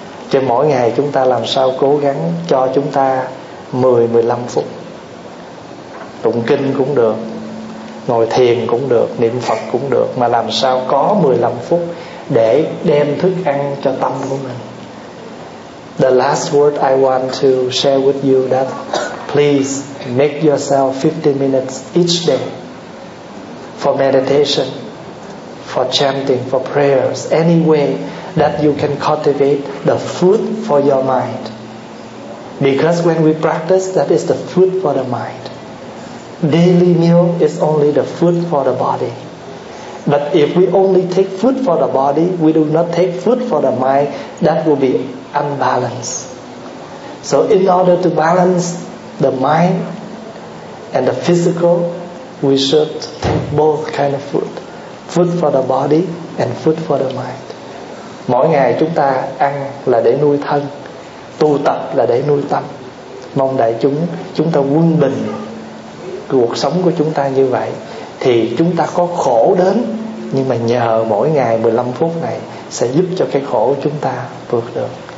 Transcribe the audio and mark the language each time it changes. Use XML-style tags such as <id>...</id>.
<vi>Cho mỗi ngày chúng ta làm sao cố gắng cho chúng ta 10-15 phút tụng kinh cũng được, ngồi thiền cũng được, niệm Phật cũng được, mà làm sao có 15 phút để đem thức ăn cho tâm của mình.</vi> <en>The last word I want to share with you that please make yourself 15 minutes each day for meditation, for chanting, for prayers, any way that you can cultivate the food for your mind. Because when we practice, that is the food for the mind. Daily meal is only the food for the body. But if we only take food for the body, we do not take food for the mind, that will be unbalanced. So in order to balance the mind and the physical, we should take both kind of food. Food for the body and food for the mind.</en> <vi>Mỗi ngày chúng ta ăn là để nuôi thân, tu tập là để nuôi tâm. Mong đại chúng, chúng ta quân bình cuộc sống của chúng ta như vậy, thì chúng ta có khổ đến, nhưng mà nhờ mỗi ngày 15 phút này sẽ giúp cho cái khổ của chúng ta vượt được.</vi>